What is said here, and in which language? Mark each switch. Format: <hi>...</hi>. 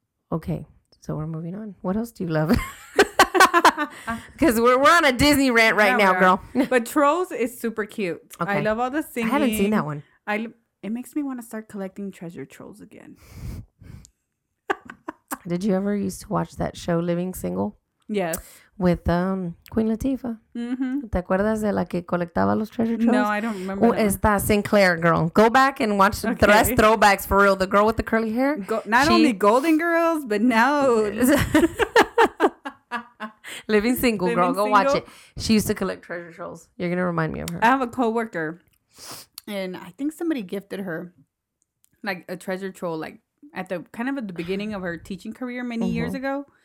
<en>Okay, so we're moving on. What else do you love? Because we're on a Disney rant right now, girl. But Trolls is super cute. Okay. I love all the singing. I haven't seen that one. It makes me want to start collecting treasure trolls again. Did you ever used to watch that show Living Single? Yes. With Queen Latifah. Mm-hmm.</en> <es>¿Te acuerdas de la que colectaba los treasure trolls?</es> <en>No, I don't remember. Oh, está Sinclair, girl. Go back and watch the rest throwbacks for real. The girl with the curly hair. Not only Golden Girls, but now. Living Single, girl. Go watch it. She used to collect treasure trolls. You're going to remind me of her. I have a coworker, and I think somebody gifted her like a treasure troll like at the beginning of her teaching career many years ago.</en>